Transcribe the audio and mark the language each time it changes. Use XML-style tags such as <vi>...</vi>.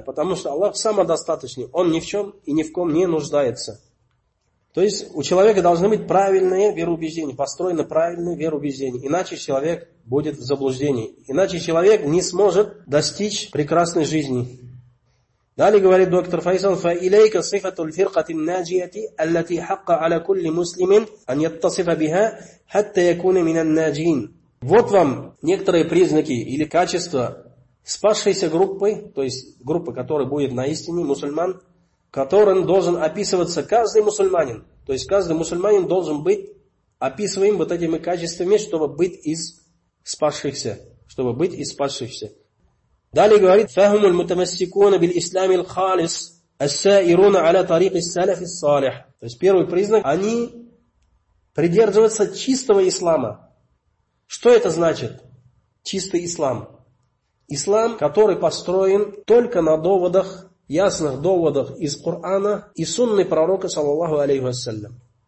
<ru>Потому что Аллах самодостаточный. Он ни в чем и ни в ком не нуждается. То есть у человека должны быть правильные вероубеждения. Построены правильные вероубеждения. Иначе человек будет в заблуждении. Иначе человек не сможет достичь прекрасной жизни. Далее говорит доктор Файсал,</ru> <ar>فَإِلَيْكَ صِفَةُ الْفِرْقَةِ النَّاجِيَةِ أَلَّتِي حَقَّ عَلَى كُلِّ مُسْلِمٍ أَنْ يَتَّصِفَ بِهَا حَتَّى يَكُونَ مِنَ النَّاجِينَ.</ar> <ru>Вот вам некоторые признаки или качества спасшейся группы, то есть группы, которая будет на истине, мусульман, которым должен описываться каждый мусульманин. То есть каждый мусульманин должен быть описываем вот этими качествами, чтобы быть из спасшихся, чтобы быть из спасшихся. Далее говорит:</ru> <ar>فَهُمُ الْمُتَمَسِّكُونَ بِالْإِسْلَامِ الْخَالِصِ السَّائِرُونَ عَلَى طَرِيقِ السَّلَفِ الصَّالِحِ.</ar> <ru>То есть первый признак: они придерживаются чистого ислама. Что это значит? Чистый ислам. Ислам, который построен только на доводах, ясных доводах из Корана и Сунны Пророка саллаллаху алейхи вассалям.</ru>